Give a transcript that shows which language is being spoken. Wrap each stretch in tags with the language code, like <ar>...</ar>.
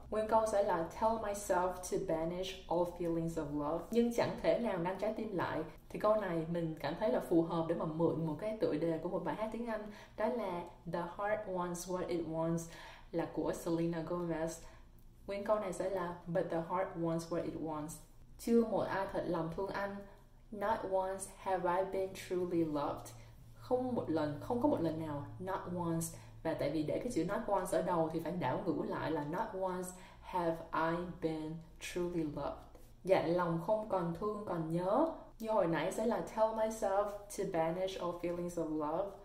<vi>Nguyên câu sẽ là</vi> <en>tell myself to banish all feelings of love,</en> <vi>nhưng chẳng thể nào ngăn trái tim lại. Thì câu này mình cảm thấy là phù hợp để mà mượn một cái tựa đề của một bài hát tiếng Anh, đó là The Heart Wants What It Wants, là của Selena Gomez. Nguyên câu này sẽ là</vi> <en>but the heart wants what it wants.</en> <vi>Chưa một ai thật lòng thương anh.</vi> <en>Not once have I been truly loved.</en> <vi>Không một lần, không có một lần nào. Not once. Và tại vì để cái chữ</vi> <en>not once ở đầu thì phải đảo ngữ lại là not once have I been truly loved.</en> <vi>Dặn lòng không còn thương còn nhớ. Như hồi nãy sẽ là</vi> <en>tell myself to banish all feelings of love.</en>